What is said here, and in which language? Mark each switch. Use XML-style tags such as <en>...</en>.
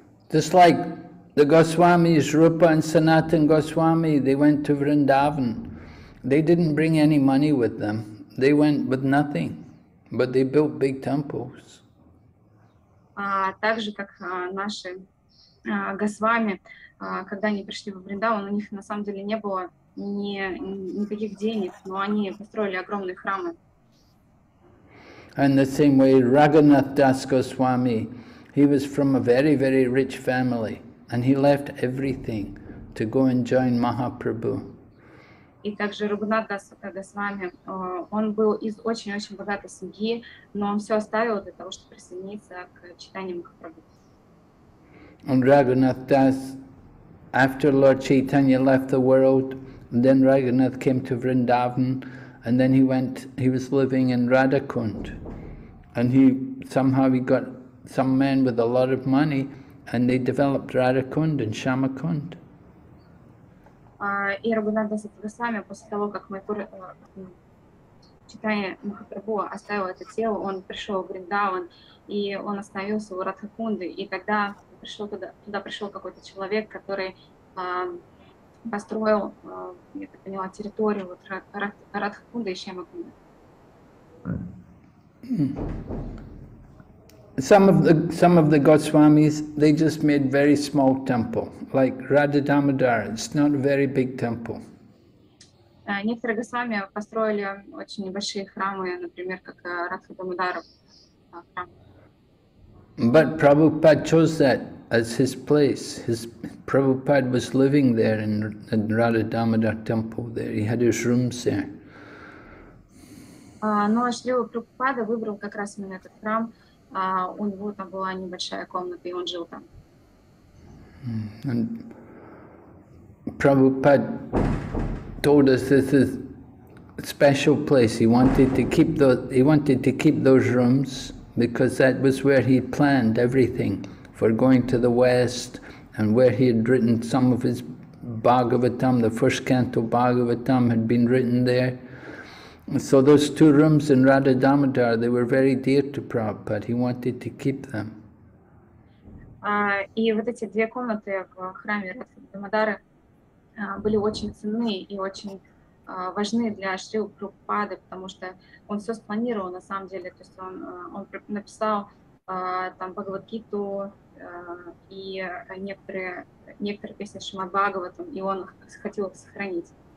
<en>Just like the Goswamis, Rupa and Sanatan Goswami, they went to Vrindavan. They didn't bring any money with them. They went with nothing, but they built big temples.</en> <ru>Также как наши Госвами, когда они пришли в Вриндаван, у них на самом деле не было никаких денег, но они построили огромные храмы.</ru> <en>And the same way Raghunath Das Goswami, he was from a very, very rich family, and he left everything to go and join Mahaprabhu.</en> <ru>И также Рагунат Дас Госвами, он был из очень-очень богатой семьи, но он все оставил для того, чтобы присоединиться к читанию Махапрабху.</ru> <en>And Raghunath Das, after Lord Chaitanya left the world, then Raghunath came to Vrindavan, and then he was living in Radhakund. And he got some men with a lot of money, and they developed Radhakund and Shamakund.</en> <ru>И Рагунат Дас Госвами, после того, как Майпур читание Махапрабху оставил это тело, он пришел в Вриндаван, и он остановился у Радхакунды, и тогда пришел какой-то человек, который построил, я так поняла, территорию вот Радхакунды и Шемакунды.</ru> <en>Some of the Goswamis, they just made very small temple, like Radha Damodar. It's not a very big temple.</en> <ru>Некоторые Госвами построили очень небольшие храмы, например, как Радха Дамодара храм.</ru> <en>But Prabhupada chose that as his place. Prabhupada was living there in Radha Damodar temple there. He had his rooms there.</en> <ru>Но Шрила Прабхупада выбрал как раз именно этот храм. У него там была небольшая комната, и он жил там.</ru> <en>And Prabhupada told us this is a special place. He wanted to keep those rooms because that was where he planned everything for going to the West, and where he had written some of his Bhagavatam. The first canto Bhagavatam had been written there. So those two rooms in Radha Damodar, they were very dear to Prabhupada. He wanted to keep them.</en> <ru>И вот эти две комнаты в храме Радха Дамодара были очень ценны и очень важны для Шрилы Прабхупады, потому что он все спланировал на самом деле. То есть он написал там Бхагавад-гиту и некоторые песни Шримад Бхагаватам, и он хотел их сохранить.</ru>